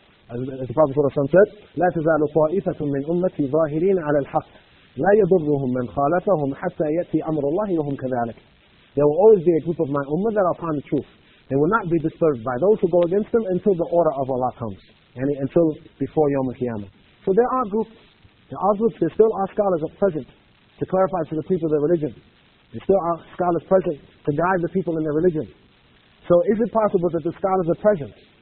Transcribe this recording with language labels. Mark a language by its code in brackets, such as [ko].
[en] As the Prophet sallallahu alayhi wa sallam said, [ar] لا تزال طائفة من أمتي ظاهرين على الحق. لا يضرهم من خالفهم حتى يأتي أمر الله وهم كذلك. [en] There will always be a group of my ummah that are upon the truth. They will not be disturbed by those who go against them until the order of Allah comes. And until before Yawm al-Qiyamah. So there are groups. There still are scholars present to clarify to the people their religion. There still are scholars present to guide the people in their religion. So is it possible that the scholars are present?